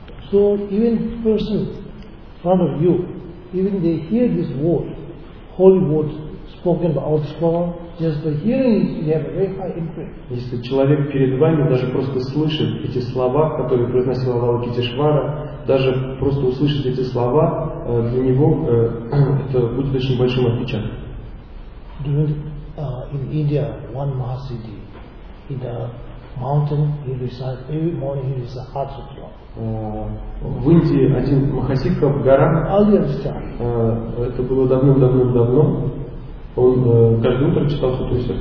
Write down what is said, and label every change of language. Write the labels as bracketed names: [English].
[English] So even person in front of you, even they hear this word, holy word spoken by our Swami, just by hearing it, they have a very high impact. [Russian] Если человек перед вами даже просто слышит эти слова, которые произносил Авалокитешвара, даже просто услышит эти слова, для него это будет очень большим отпечатком. [English] During in India, one Mahasiddhi in the mountain, he recites every morning. He recites Hatha Sutra. [Russian] В Индии один Махасидха в горах, это было давным-давно, он каждое утро читал сутру